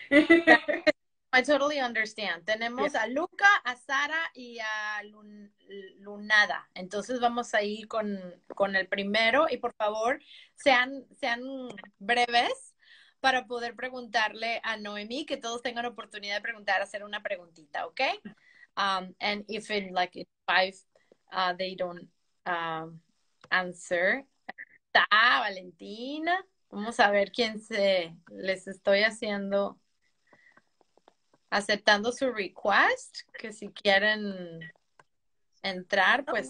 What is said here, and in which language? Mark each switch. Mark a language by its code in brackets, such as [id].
[en] I totally understand. [es] Tenemos a Luca, a Sara y a Lunada. Entonces vamos a ir con el primero. Y por favor, sean breves para poder preguntarle a Noemí, que todos tengan oportunidad de preguntar, hacer una preguntita, ¿ok? [en] And if in like in 5 they don't answer. [es] Está Valentina. Vamos a ver quién se les estoy haciendo. Aceptando su request, que si quieren entrar, pues.